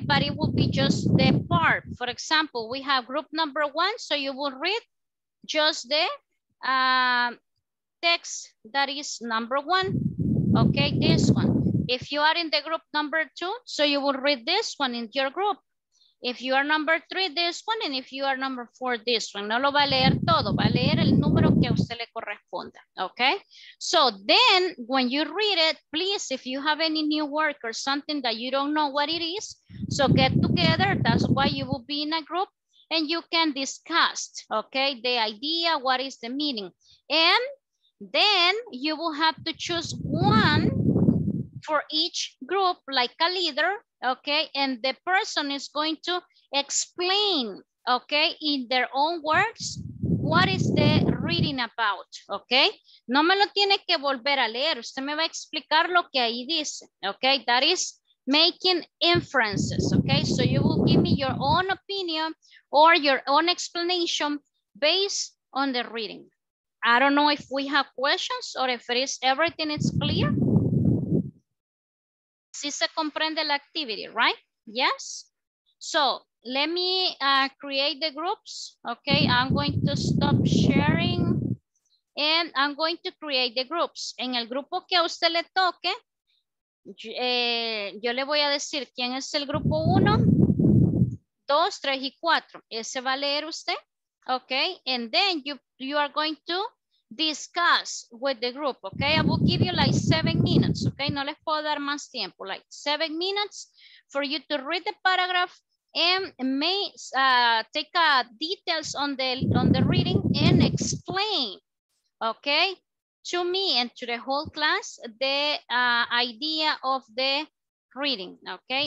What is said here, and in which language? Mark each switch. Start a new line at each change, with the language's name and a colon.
English: But it will be just the part. For example, we have group number 1, so you will read just the text that is number 1, okay? This one. If you are in the group number 2, so you will read this one in your group. If you are number 3, this one, and if you are number 4, this one.
Spanish: No lo va a leer todo, va a leer el número que a usted le corresponda, okay?
English: So then, when you read it, please, if you have any new work or something that you don't know what it is, so get together, that's why you will be in a group, and you can discuss, okay, the idea, what is the meaning. And then you will have to choose one for each group, like a leader, okay, and the person is going to explain, okay, in their own words, what is the reading about, okay?
Spanish: No me lo tiene que volver a leer, usted me va a explicar lo que ahí dice, okay?
English: That is making inferences, okay? So you will give me your own opinion or your own explanation based on the reading. I don't know if we have questions or if it is everything is clear.
Spanish: Si se comprende la
English: activity, right? Yes. So let me create the groups. Okay, I'm going to stop sharing and I'm going to create the groups.
Spanish: En el grupo que a usted le toque, yo le voy a decir quién es el grupo 1, 2, 3 y 4. Ese va a leer usted.
English: Okay, and then you are going to discuss with the group, okay? I will give you like 7 minutes, okay?
Spanish: No les puedo dar más tiempo,
English: like 7 minutes for you to read the paragraph and may take details on the reading and explain, okay, to me and to the whole class the idea of the reading, okay?